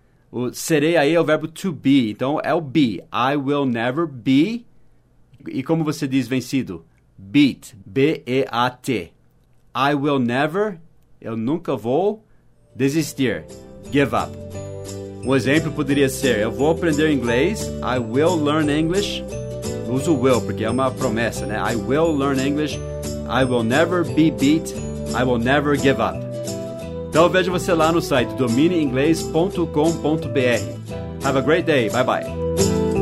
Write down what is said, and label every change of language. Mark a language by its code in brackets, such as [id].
[pt] O serei aí é o verbo to be, então é o be. [en] I will never be, [pt] e como você diz vencido? [en] Beat, B-E-A-T. I will never, [pt] eu nunca vou desistir, [en] give up. [pt] Um exemplo poderia ser, eu vou aprender inglês, [en] I will learn English. [pt] Uso will, porque é uma promessa, né? [en] I will learn English, I will never be beat, I will never give up. [pt] Então eu vejo você lá no site domineinglês.com.br. [en] Have a great day, bye bye.